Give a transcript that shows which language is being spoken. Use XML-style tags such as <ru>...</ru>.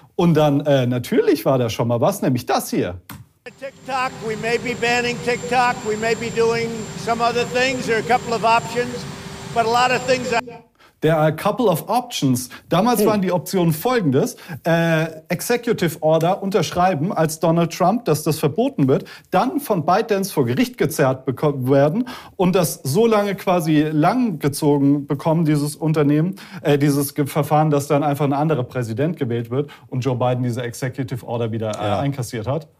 <de>Und dann natürlich war da schon mal was, nämlich das hier.</de> <en>TikTok, we may be banning TikTok, we may be doing some other things, there are a couple of options, but a lot of things are... There are a couple of options.</en> <de>Damals waren die Optionen folgendes. Executive Order unterschreiben als Donald Trump, dass das verboten wird, dann von ByteDance vor Gericht gezerrt bekommen werden und das so lange quasi langgezogen bekommen, dieses Unternehmen, dieses Verfahren, dass dann einfach ein anderer Präsident gewählt wird und Joe Biden diese Executive Order wieder einkassiert hat.</de>